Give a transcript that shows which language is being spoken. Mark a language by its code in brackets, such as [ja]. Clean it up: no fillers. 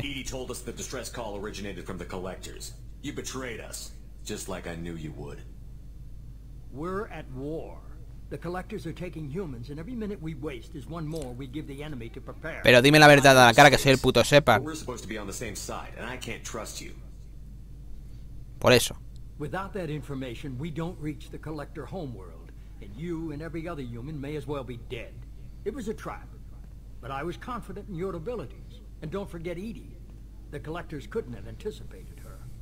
[en] Edie told us the distress call originated from the collectors. You betrayed us, just like I knew you would. We're at war. The collectors are taking humans, and every minute we waste is one more we give the enemy to prepare. [es] Pero dime la verdad a la cara, que soy el puto Shepard. [en] We're supposed to be on the same side, and I can't trust you. [es] Por eso. [en] Without that information, we don't reach the collector homeworld, and you and every other human may as well be dead. It was a trap, but I was confident in your abilities. And don't forget Edie. The collectors couldn't have anticipated her.